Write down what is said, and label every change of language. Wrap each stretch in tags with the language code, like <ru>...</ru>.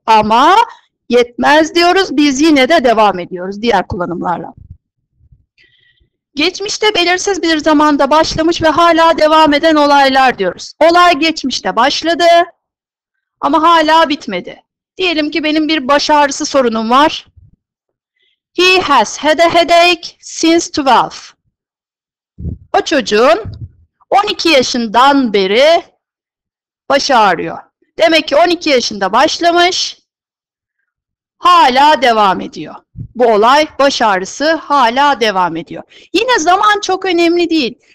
<tr>Ama yetmez diyoruz. Biz yine de devam ediyoruz diğer kullanımlarla. Geçmişte belirsiz bir zamanda başlamış ve hala devam eden olaylar diyoruz. Olay geçmişte başladı ama hala bitmedi. Diyelim ki benim bir baş ağrısı sorunum var.</tr> <en>He has had a headache since 12.</en> <tr>O çocuğun 12 yaşından beri baş ağrıyor. Demek ki 12 yaşında başlamış, hala devam ediyor. Bu olay baş ağrısı hala devam ediyor. Yine zaman çok önemli değil.</tr>